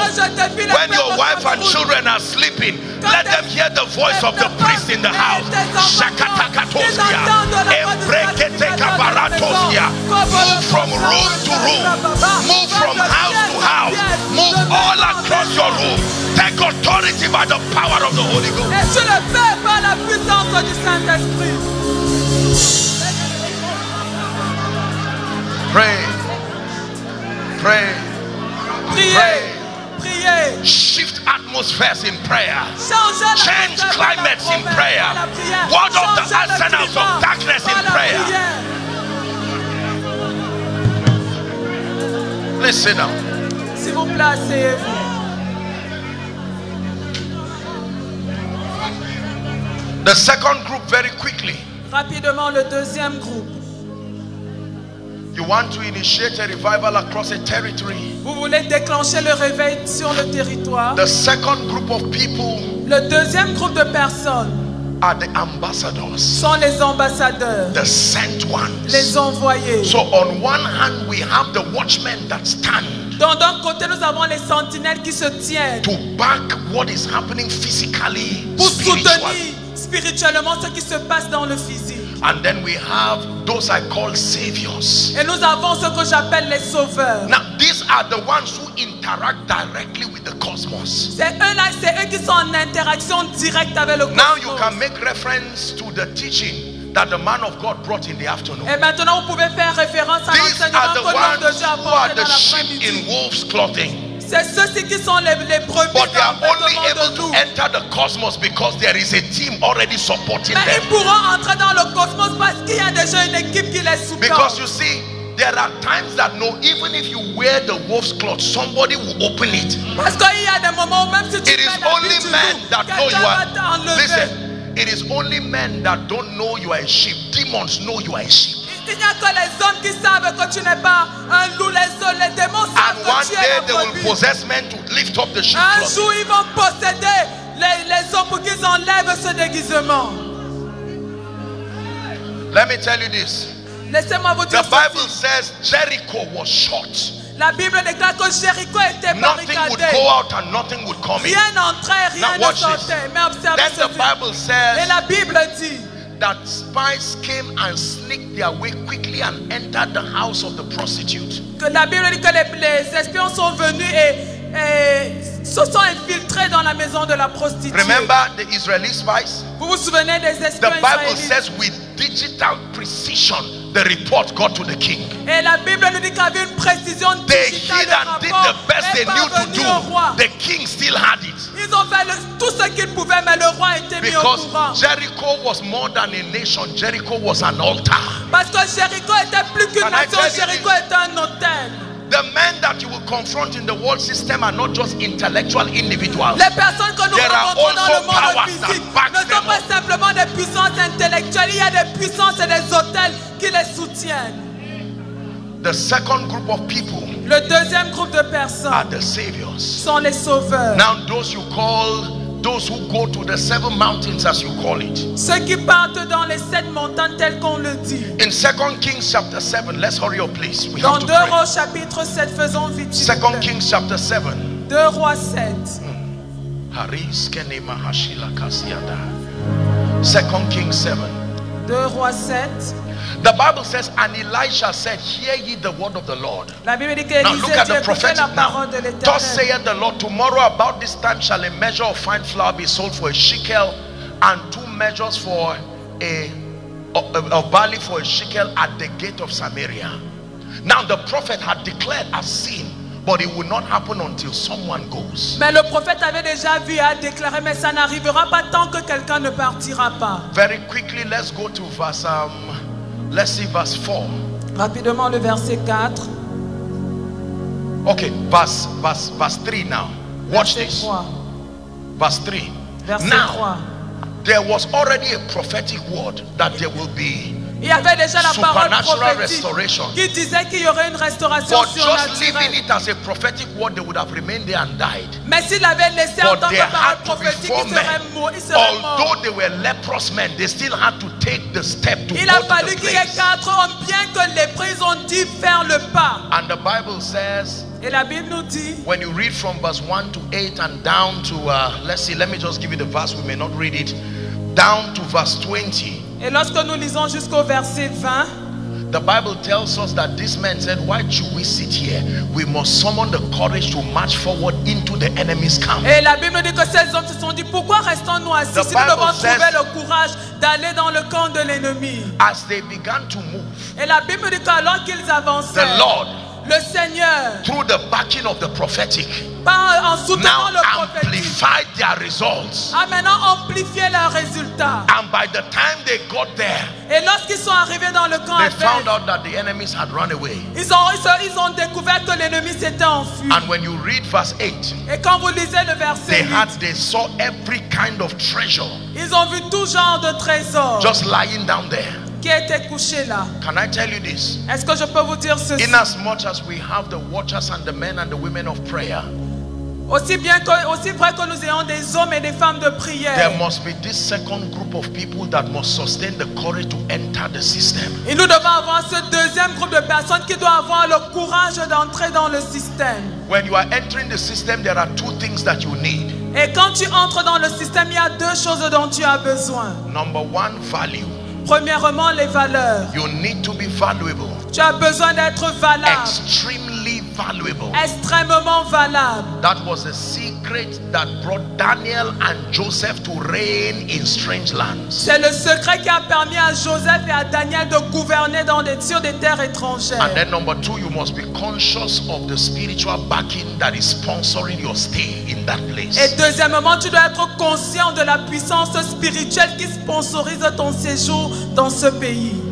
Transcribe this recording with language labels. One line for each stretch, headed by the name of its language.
English: When your wife and children are sleeping, let them hear the voice of the priest in the house. Shakatakatosia. Ebreketeka baratosia. Move from room to room. Move from house to house. Move all across your room. Take authority by the power of the Holy Ghost.
French: Et tu le fais par la puissance du Saint-Esprit.
English: Pray. Pray.
French: Priez. Priez.
English: Shift atmospheres in prayer. Change, change climates in prayer. Ward off the arsenals of darkness in prayer. Listen now.
French: S'il vous plaît, asseyez-vous.
English: The second group, very quickly.
French: Rapidement, le deuxième groupe.
English: You want to initiate a revival across a territory.
French: Vous voulez déclencher le réveil sur le territoire.
English: The second group of people.
French: Le deuxième groupe de personnes.
English: Are the ambassadors.
French: Sont les ambassadeurs.
English: The sent ones.
French: Les envoyés.
English: So on one hand we have the watchmen that stand.
French: Donc d'un côté nous avons les sentinelles qui se tiennent.
English: To back what is happening physically.
French: Pour soutenir spirituellement ce qui se passe dans le physique.
English: And then we have those I call saviors.
French: Et nous avons ce que j'appelle les sauveurs.
English: Now these are the ones who interact directly with the cosmos.
French: C'est eux qui sont en interaction directe avec le cosmos.
English: Now you can make reference to the teaching that the man of God brought in the afternoon.
French: Et maintenant vous pouvez faire référence à l'enseignement que l'homme de Dieu a apporté dans l'après-midi.
English: These are the ones who are the sheep in wolf's clothing.
French: C'est ceux-ci qui sont les premiers.
English: But they are only able to enter the cosmos because there is a team already supporting
French: them. Mais ils pourront entrer dans le cosmos parce qu'il y a déjà une équipe qui les soutient.
English: Because you see, there are times that no, even if you wear the wolf's cloth, somebody will open it.
French: Parce qu'il y a des moments où même si tu
English: it is only men that know you are. Listen, it is only men that don't know you are a sheep. Demons know you are a sheep.
French: Il n'y a que les hommes qui savent que tu n'es pas un loup, les hommes, les démons savent que tu es un
English: loup. Will possess men to lift up the sheep.
French: Un jour, ils vont posséder les hommes pour qu'ils enlèvent ce déguisement.
English: Let me tell you this.
French: Laissez-moi vous dire
English: ceci. The Bible says Jericho was shut.
French: La Bible déclare que Jéricho était barricadé.
English: Nothing would go out and nothing would come in.
French: Rien n'entrait, rien ne sortait. Mais observe
English: ceci. Then the Bible says.
French: Et la Bible dit.
English: That spies came and sneaked their way quickly and entered the house of the prostitute.
French: Que la Bible dit que les espions sont venus et se sont infiltrés dans la maison de la prostituée.
English: Remember the Israeli spies?
French: Vous vous souvenez des espions
English: israéliens? The Bible says with digital precision the report got to the king.
French: Et la Bible nous dit qu'avec une précision digitale,
English: they hid and did the best they knew to do. The king still had it.
French: Ils ont fait tout ce qu'ils pouvaient, mais le roi était
English: because
French: mis au courant.
English: Because Jericho was more than a nation. Jericho was an altar.
French: Parce que Jericho était plus qu'une nation. Jericho était un autel.
English: The men that you will confront in the world system are not just intellectual individuals.
French: Les personnes que nous there rencontrons dans le monde physique ne sont pas simplement des puissances intellectuelles. Il y a des puissances et des autels qui les soutiennent.
English: The second group of people,
French: le deuxième groupe de personnes,
English: are the saviors,
French: sont les sauveurs.
English: Now those you call, those who go to the seven mountains, as you call it.
French: Ceux qui partent dans les sept montagnes, tel qu'on le dit.
English: In 2 Kings chapter 7, let's hurry up, please. We
French: dans
English: have to
French: Deux Rois chapitre 7, faisons vite.
English: 2 Kings chapter 7.
French: Deux Rois 7. Haris kene mahashila kasiada. 2 Kings 7. Deux Rois 7.
English: The Bible says, and Elisha said, hear ye the word of the Lord.
French: La Bible dit que
English: now look at the prophet now. Thus saith the Lord, tomorrow about this time shall a measure of fine flour be sold for a shekel, and two measures for a barley for a shekel at the gate of Samaria. Now the prophet had declared a sin, but it will not happen until someone goes.
French: Mais le prophète avait déjà vu et a déclaré, mais ça n'arrivera pas tant que quelqu'un ne partira pas.
English: Very quickly, let's go to verse... Let's see verse 4.
French: Rapidement le verset 4.
English: Okay, verse 3 now. Watch this. 3. Verse 3.
French: Verset
English: now,
French: 3.
English: There was already a prophetic word that there will be
French: il y avait déjà la
English: supernatural restoration.
French: Qui disait qu'il y aurait une restauration
English: but just leaving it as a prophetic word, they would have remained there and died.
French: Mais s'il avait laissé
English: but
French: en tant que parole prophétique, il serait mort.
English: Although
French: mort.
English: They were leprous men, they still had to take the step to
French: il
English: go
French: a fallu
English: to the
French: qu'il
English: place.
French: Y ait quatre hommes, bien que les prêtres ont dû faire le pas.
English: And the Bible says,
French: et la Bible nous dit,
English: when you read from verse 1 to 8 and down to, let's see, let me just give you the verse, we may not read it, down to verse 20.
French: Et lorsque nous lisons jusqu'au verset 20,
English: the Bible tells us that this man said, why should we sit here? We must summon the courage to march forward into the enemy's camp.
French: Et la Bible dit que ces hommes se sont dit, pourquoi restons-nous assis si nous devons trouver le courage d'aller dans le camp de l'ennemi?
English: As they began to move,
French: et la Bible dit qu'alors qu'ils avançaient,
English: the Lord,
French: le Seigneur,
English: through the backing of the prophetic,
French: par, en soutenant
English: now
French: le prophétique,
English: amplified their results.
French: A maintenant amplifié leurs résultats.
English: And by the time they got there,
French: et lorsqu'ils sont arrivés dans le camp,
English: they found out that the enemies had run away.
French: Ils ont découvert que l'ennemi s'était enfui.
English: And when you read verse 8,
French: et quand vous lisez le verset 8,
English: they saw every kind of treasure.
French: Ils ont vu tout genre de trésors.
English: Just lying down there.
French: Qui était couché là.
English: Can I tell you this?
French: Est-ce que je peux vous dire ceci?
English: In as much as we have the watchers and the men and the women of prayer.
French: Aussi vrai que nous ayons des hommes et des femmes de prière.
English: There must be this second group of people that must sustain the courage to enter the system.
French: Et nous devons avoir ce deuxième groupe de personnes qui doit avoir le courage d'entrer dans le système.
English: When you are entering the system, there are two things that you need.
French: Et quand tu entres dans le système, il y a deux choses dont tu as besoin.
English: Number one, value.
French: Premièrement, les valeurs.
English: You need to be valuable.
French: Tu as besoin d'être valable.
English: Extremely valuable.
French: Extrêmement valable.
English: That was a secret that brought Daniel and Joseph to reign in strange lands.
French: C'est le secret qui a permis à Joseph et à Daniel de gouverner dans les sur des terres étrangères.
English: And then number two, you must be conscious of the spiritual backing that is sponsoring your stay in that place.
French: Et deuxièmement, tu dois être conscient de la puissance spirituelle qui sponsorise ton séjour dans ce pays.